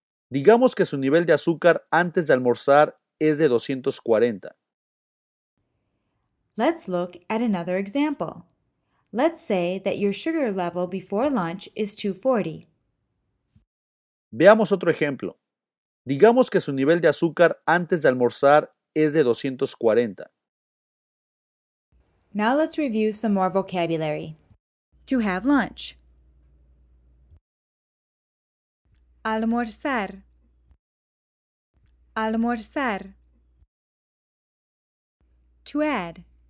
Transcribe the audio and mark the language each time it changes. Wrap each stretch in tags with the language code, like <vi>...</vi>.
<es>Digamos que su nivel de azúcar antes de almorzar es de 240.</es> <en>Let's look at another example. Let's say that your sugar level before lunch is 240.</en> <es>Veamos otro ejemplo. Digamos que su nivel de azúcar antes de almorzar es de 240.</es> <en>Now let's review some more vocabulary. To have lunch.</en> <es>Almorzar. Almorzar.</es> <en>To add.</en>